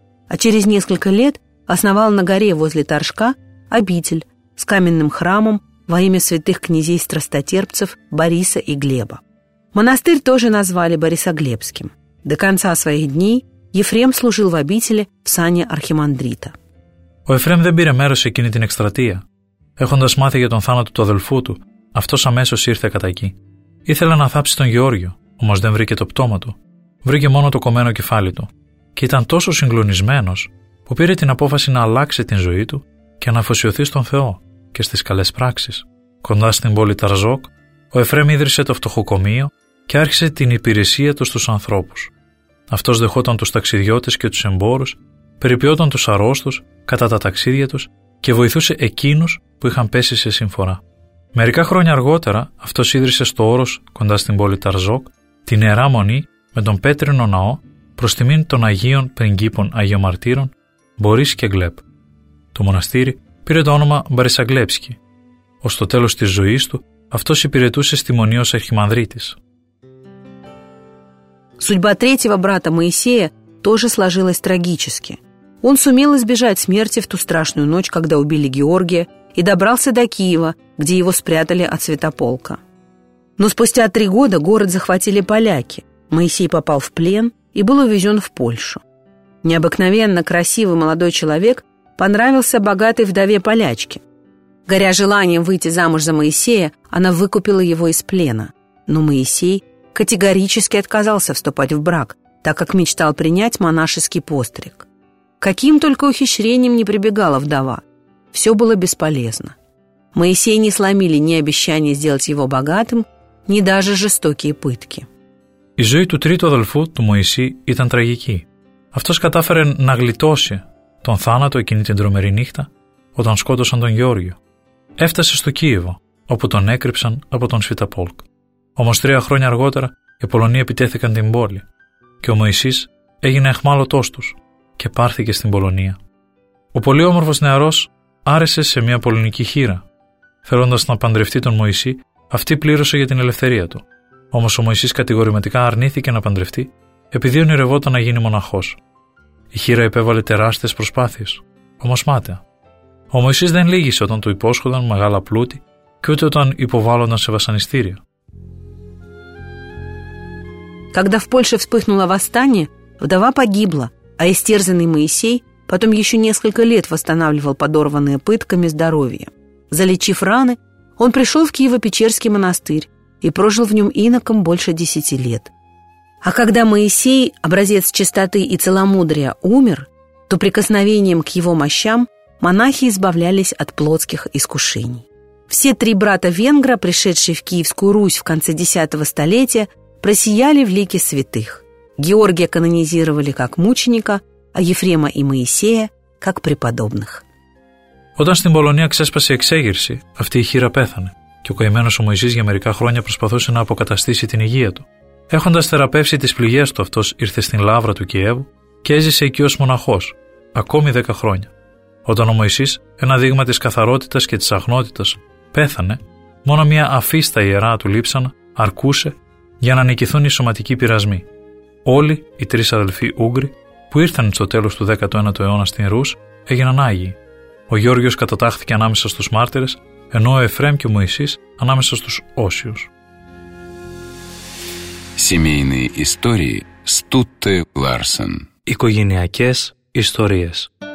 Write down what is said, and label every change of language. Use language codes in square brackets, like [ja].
[ru] А через несколько лет основал на горе возле Торжка обитель с каменным храмом во имя святых князей-страстотерпцев Бориса и Глеба. Монастырь тоже назвали Борисоглебским. До конца своих дней Ефрем служил в обители в сане архимандрита. [el] Ο Ефρέμ δεν πήρε μέρος σε εκείνη την εκστρατεία. Έχοντας μάθει για τον θάνατο του αδελφού του, αυτός αμέσως ήρθε κατά εκεί. Ήθελε να θάψει τον Γεώργιο, όμως δεν βρήκε το πτώμα του. Βρήκε μόνο το κομμένο κεφάλι του. Και ήταν τόσο συγκλονισμένος που πήρε την απόφαση να αλλάξει την ζωή του και να αφοσιωθεί στον Θεό και στις καλές πράξεις. Κοντά στην πόλη Ταρζόκ, ο Εφρέμ ίδρυσε το φτωχοκομείο και άρχισε την υπηρεσία του στους ανθρώπους. Αυτός δεχόταν τους ταξιδιώτες και τους εμπόρους, περιποιόταν τους αρρώστους κατά τα ταξίδια τους και βοηθούσε εκείνους που είχαν πέσει σε συμφορά. Μερικά χρόνια αργότερα, αυτός ίδρυσε στο όρος κοντά στην πόλη Ταρζόκ την Ιερά Μονή με τον Πέτρινο Ναό προς τιμήν των Αγίων Πριγκίπων Αγιομαρτύρων Μπορίς και Γκλέπ. Το μοναστήρι πήρε το όνομα Μπαρισαγκλέψκι. Ως το τέλος της ζωής του, αυτός υπηρετούσε στη Μονή ως αρχιμανδρίτης. [ru] Судьба третьего брата Моисея тоже сложилась трагически. Он сумел избежать смерти в ту страшную ночь, когда убили Георгия, и добрался до Киева, где его спрятали от Святополка. Но спустя 3 года город захватили поляки. Моисей попал в плен и был увезен в Польшу. Необыкновенно красивый молодой человек понравился богатой вдове-полячке. Горя желанием выйти замуж за Моисея, она выкупила его из плена. Но Моисей категорически отказался вступать в брак, так как мечтал принять монашеский постриг. Каким только ухищрением не прибегала вдова, все было бесполезно. Моисея не сломили ни обещание сделать его богатым, ни даже жестокие пытки. [el] Η ζωή του τρίτου αδελφού, του Μωυσή, ήταν τραγική. Αυτός κατάφερε να γλιτώσει τον θάνατο εκείνη την τρομερή νύχτα, όταν σκότωσαν τον Γεώργιο. Έφτασε στο Κίεβο, όπου τον έκρυψαν από τον Σβιατοπόλκ. Όμως 3 χρόνια αργότερα, οι Πολωνοί επιτέθηκαν την πόλη και ο Μωυσής έγινε αιχμάλωτός τους και πάρθηκε στην Πολωνία. Ο πολύ όμορφος νεαρός άρεσε σε μια πολωνική χείρα. Θέλοντας να παντρευτεί τον Μωυσή, αυτή πλήρωσε για την ελευθερία του. Όμως ο Μωυσής κατηγορηματικά αρνήθηκε να παντρευτεί, επειδή ονειρευόταν να γίνει μοναχός. Η χείρα επέβαλε τεράστιες προσπάθειες, όμως μάταια. Ο Μωυσής δεν λύγησε όταν του υπόσχονταν μεγάλα πλούτη και ούτε όταν υποβάλλονταν σε βασανιστήρια. [ru] Когда в Польше вспыхнуло восстание, вдова погибла, а истерзанный Моисей потом еще несколько лет восстанавливал подорванное пытками здоровье. Залечив раны, он пришел в Киево-Печерский монастырь и прожил в нем иноком больше 10 лет. А когда Моисей, образец чистоты и целомудрия, умер, то прикосновением к его мощам монахи избавлялись от плотских искушений. Все 3 брата-венгра, пришедшие в Киевскую Русь в конце 10-го столетия, просияли в лике святых. Георгия канонизировали как мученика, а Ефрема и Моисея – как преподобных. [el] Όταν στην Πολωνία ξέσπασε η εξέγερση, αυτή η χείρα πέθανε και ο καημένος ο Μωυσής για μερικά χρόνια προσπαθούσε να αποκαταστήσει την υγεία του. Έχοντας θεραπεύσει τις πληγές του, αυτός ήρθε στην Λαύρα του Κιέβου και έζησε εκεί ως μοναχός, ακόμη 10 χρόνια. Όταν ο Μωυσής, ένα δείγμα της καθαρότητας και της αγνότητας, πέθανε, μόνο μια αφή στα ιερά του λείψανα αρκούσε για να νικηθούν οι σωματικοί πειρασμοί. Όλοι οι 3 αδελφοί Ούγγροι που ήρθαν στο τέλος του 19ου αιώνα στην Ρους έγιναν Άγιοι. Ο Γεώργιος κατατάχθηκε ανάμεσα στους μάρτυρες, ενώ ο Εφρέμ και ο Μωυσής ανάμεσα στους Όσιους. [ru] Семейные истории Стутте Ларсен. [el] Οικογενειακές ιστορίες.